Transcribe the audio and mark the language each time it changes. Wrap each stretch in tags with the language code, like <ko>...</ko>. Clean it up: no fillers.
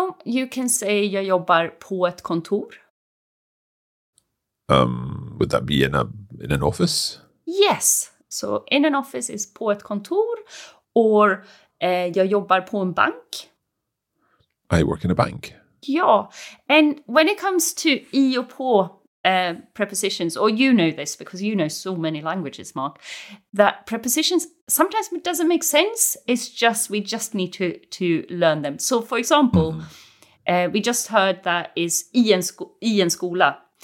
<en>You can say</en> <sv>jag jobbar på ett kontor.</sv> <en>Would that be in an office? Yes. So in an office is</en> <sv>på ett kontor,</sv> <en>or</en> <sv>jag jobbar på en bank.</sv> <en>I work in a bank. Ja, and when it comes to</en> <sv>i och på</sv> <en>prepositions, or you know this because you know so many languages, Mark, that prepositions sometimes doesn't make sense. It's just, we just need to learn them. So for example, we just heard that is</en> <sv>i en skola.</sv>